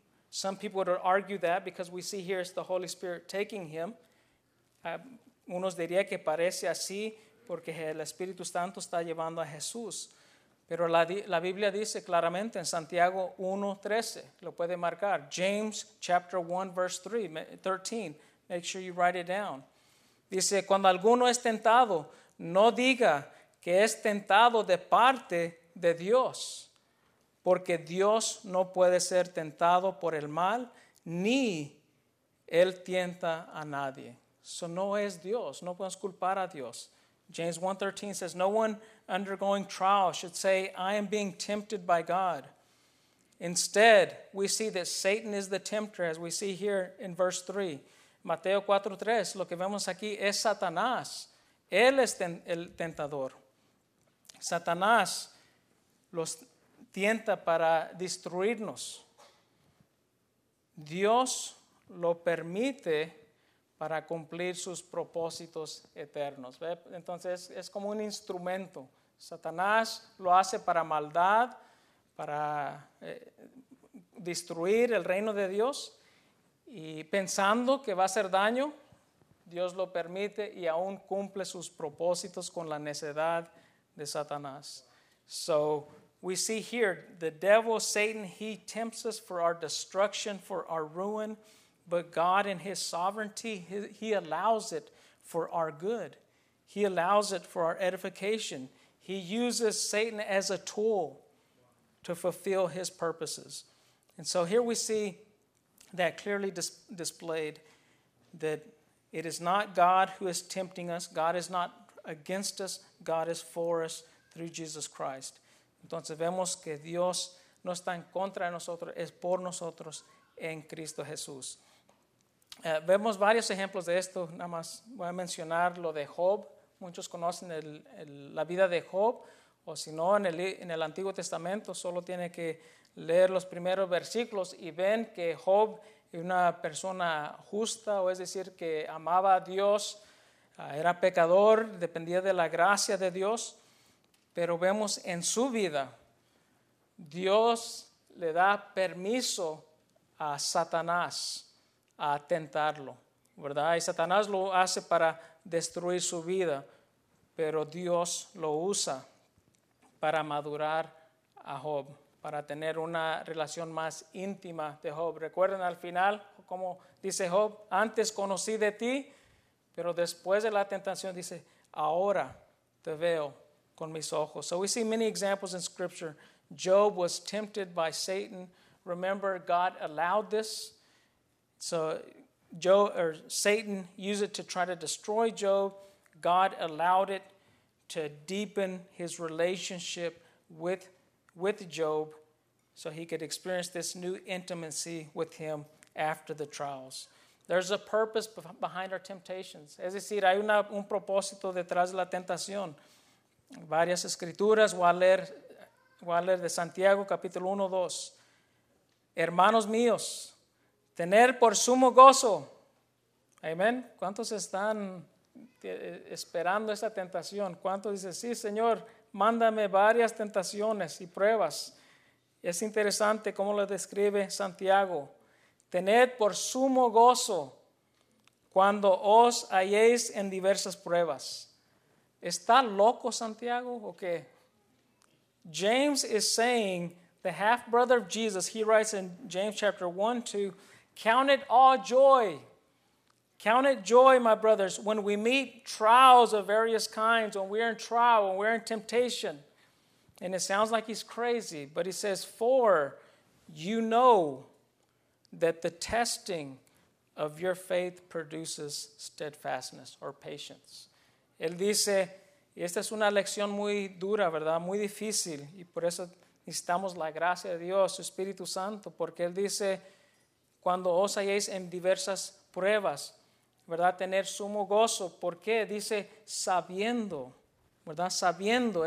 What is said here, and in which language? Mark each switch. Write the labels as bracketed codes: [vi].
[en] Some people would argue that because we see here it's the Holy Spirit taking him. [es] Unos diría que parece así porque el Espíritu Santo está llevando a Jesús. Pero la Biblia dice claramente en Santiago 1:13, lo puede marcar. [en] James chapter 1 verse 13, make sure you write it down. [es] Dice, cuando alguno es tentado, no diga que es tentado de parte de Dios, porque Dios no puede ser tentado por el mal, ni Él tienta a nadie. So no es Dios, no podemos culpar a Dios. [en] James 1:13 says, no one undergoing trial should say, I am being tempted by God. Instead, we see that Satan is the tempter, as we see here in verse 3. [es] Mateo 4:3, lo que vemos aquí es Satanás. Él es el tentador. Satanás los tienta para destruirnos. Dios lo permite para cumplir sus propósitos eternos. Entonces es como un instrumento. Satanás lo hace para maldad, para destruir el reino de Dios. Y pensando que va a hacer daño, Dios lo permite y aún cumple sus propósitos con la necedad de Satanás. [en] So we see here the devil, Satan, he tempts us for our destruction, for our ruin. But God in his sovereignty, he allows it for our good. He allows it for our edification. He uses Satan as a tool to fulfill his purposes. And so here we see that clearly displayed, that it is not God who is tempting us. God is not against us. God is for us through Jesus Christ. [es] Entonces vemos que Dios no está en contra de nosotros, es por nosotros en Cristo Jesús. Vemos varios ejemplos de esto. Nada más voy a mencionar lo de Job. Muchos conocen la vida de Job, o si no, en el Antiguo Testamento, solo tiene que leer los primeros versículos y ven que Job es una persona justa, o es decir, que amaba a Dios, era pecador, dependía de la gracia de Dios. Pero vemos en su vida, Dios le da permiso a Satanás a tentarlo, ¿verdad? Y Satanás lo hace para destruir su vida, pero Dios lo usa para madurar a Job, para tener una relación más íntima de Job. Recuerden al final, como dice Job, antes conocí de ti, pero después de la tentación dice, ahora te veo con mis ojos. [en] So we see many examples in scripture. Job was tempted by Satan. Remember, God allowed this. So Satan used it to try to destroy Job. God allowed it to deepen his relationship with Job so he could experience this new intimacy with him after the trials. There's a purpose behind our temptations. [es] Es decir, hay un propósito detrás de la tentación. Varias escrituras, voy a leer de Santiago capítulo 1:2. Hermanos míos, tener por sumo gozo. Amén. ¿Cuántos están esperando esta tentación? ¿Cuántos dicen, sí, Señor, mándame varias tentaciones y pruebas? Es interesante cómo lo describe Santiago. Tened por sumo gozo cuando os halléis en diversas pruebas. ¿Está loco Santiago o qué? [en] James is saying, the half-brother of Jesus, he writes in James chapter 1:2, count it all joy. Count it joy, my brothers, when we meet trials of various kinds, when we're in trial, when we're in temptation. And it sounds like he's crazy, but he says, for you know that the testing of your faith produces steadfastness or patience. [es] Él dice, y esta es una lección muy dura, ¿verdad? Muy difícil. Y por eso necesitamos la gracia de Dios, su Espíritu Santo. Porque Él dice, cuando os halléis en diversas pruebas, ¿verdad? Tener sumo gozo. ¿Por qué? Dice, sabiendo, ¿verdad? Sabiendo.